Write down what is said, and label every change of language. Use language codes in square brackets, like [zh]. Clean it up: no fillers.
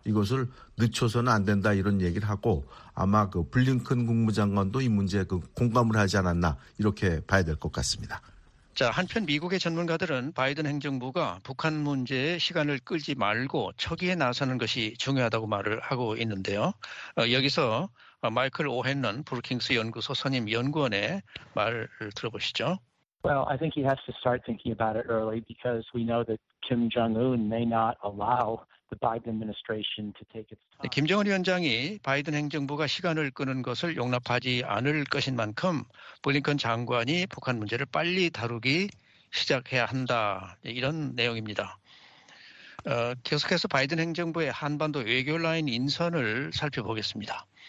[ko] 이것을 늦춰서는 안 된다. 이런 얘기를 하고 아마 그 블링컨 국무장관도 이 문제에 그 공감을 하지 않았나 이렇게 봐야 될 것 같습니다. 자, 한편 미국의 전문가들은 바이든 행정부가 북한 문제에 시간을 끌지 말고 초기에 나서는 것이 중요하다고 말을 하고 있는데요. 여기서 마이클 오헨런 브루킹스 연구소 선임 연구원의 말을 들어보시죠. [en] Well, I think he has to start thinking about it early because we know that Kim Jong-un may not allow the Biden administration to take its time. [ko] 김정은 위원장이 바이든 행정부가 시간을 끄는 것을 용납하지 않을 것인 만큼 블링컨 장관이 북한 문제를 빨리 다루기 시작해야 한다. 이런 내용입니다. 계속해서 바이든 행정부의 한반도 외교 라인 인선을 살펴보겠습니다.